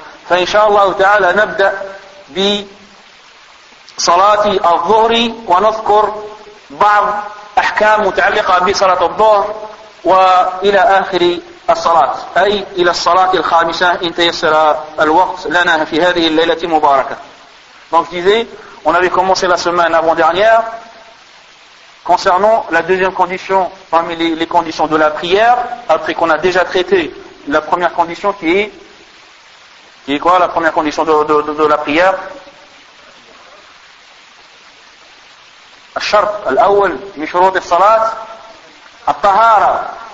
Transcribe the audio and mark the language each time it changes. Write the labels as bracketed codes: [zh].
[ar] فإن شاء الله تعالى نبدأ بصلاة الظهر ونذكر بعض أحكام متعلقة بصلاة الظهر وإلى آخر الصلاة، أي إلى الصلاة الخامسة إن تيسر الوقت لنا في هذه الليلة المباركة. [fr] Donc je disais, on avait commencé la semaine avant-dernière concernant la deuxième condition parmi les conditions de la prière, après qu'on a déjà traité la première condition qui est quoi la première condition de la prière. [ar] الشرط الأول من شروط الصلاة الطهارة.